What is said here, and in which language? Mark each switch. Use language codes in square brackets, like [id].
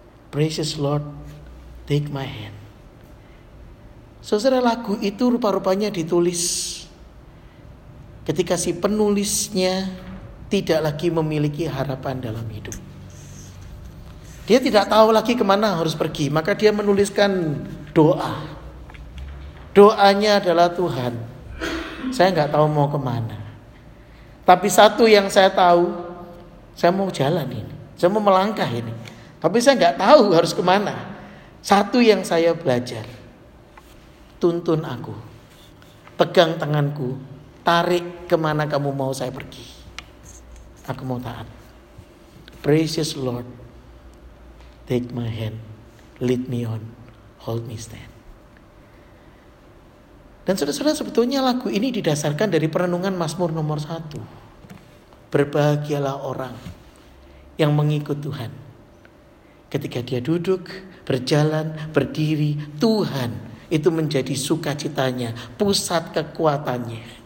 [en] Precious Lord, take my hand. [id] Saudara, lagu itu rupa-rupanya ditulis ketika si penulisnya tidak lagi memiliki harapan dalam hidup. Dia tidak tahu lagi kemana harus pergi, maka dia menuliskan doa. Doanya adalah, Tuhan, saya gak tahu mau kemana, tapi satu yang saya tahu, saya mau jalan ini, saya mau melangkah ini, tapi saya gak tahu harus kemana. Satu yang saya belajar, tuntun aku, pegang tanganku, tarik kemana kamu mau saya pergi. Aku mau taat. [en] Precious Lord, take my hand, lead me on, hold me stand. [id] Dan saudara-saudara, sebetulnya lagu ini didasarkan dari perenungan Mazmur nomor 1. Berbahagialah orang yang mengikut Tuhan. Ketika dia duduk, berjalan, berdiri, Tuhan itu menjadi sukacitanya, pusat kekuatannya.